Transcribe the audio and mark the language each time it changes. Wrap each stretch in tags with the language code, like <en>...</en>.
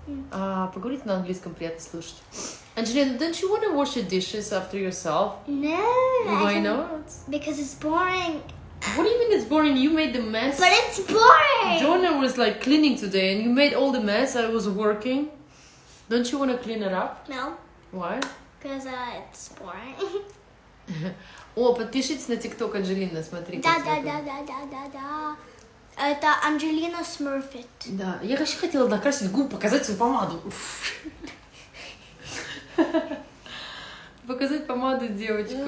<ru>А поговорить на английском приятно слушать.</ru> <en>Анжелина, don't you want to wash your dishes after yourself? No. Why not? Because it's boring. What do you mean it's boring? You made the mess. But it's boring. Jonah was like cleaning today, and you made all the mess. I was working. Don't you want to clean it up? No. Why? Because it's boring.</en> <ru>О, подпишитесь на TikTok, Анжелина, смотри. Да. Это Анджелина Смерфит. Да, я вообще хотела накрасить губы, показать свою помаду. Показать помаду девочкам.</ru>